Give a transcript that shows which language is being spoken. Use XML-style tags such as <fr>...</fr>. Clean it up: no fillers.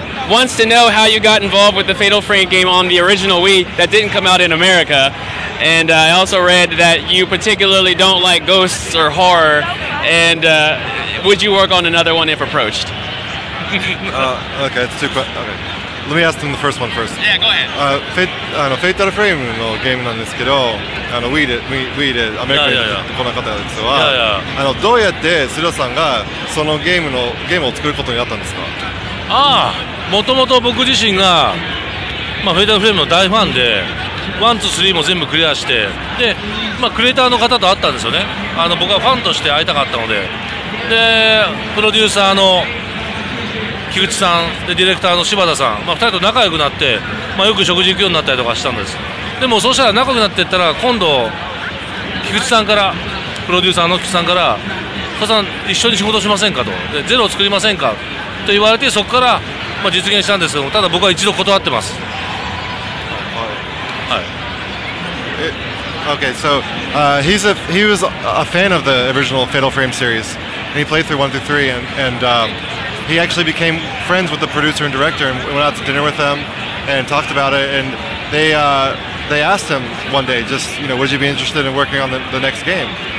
<en>wants to know how you got involved with the Fatal Frame game on the original Wii that didn't come out in America. And I also read that you particularly don't like ghosts or horror. And would you work on another one if approached? Okay, it's too quick. Okay. Let me ask them the first one first. Yeah, go ahead.</en> <ja>Fatal Frame のゲームなんですけど、Wii でアメリカに来なかったやつは、どうやってスラさんがそのゲームを作ることになったんですか？もともと僕自身が、Fatal Frame の大ファンで、1、2、3も全部クリアして、で、クリエイターの方と会ったんですよね。僕はファンとして会いたかったので、で、プロデューサーの菊池さんでディレクターの柴田さん、2人と仲良くなって、よく食事行くようになったりとかしたんです。でもそうしたら仲良くなっていったら、今度菊池さんからプロデューサーの菊池さんから佐々さん一緒に仕事しませんかと、でゼロを作りませんかと言われて、そこから実現したんですけども、ただ僕は一度断ってます。</ja> <en>Okay, so he was a fan of the original Fatal Frame series, and he played through 1-3 He actually became friends with the producer and director and went out to dinner with them and talked about it. And they asked him one day, just, would you be interested in working on the next game?</en>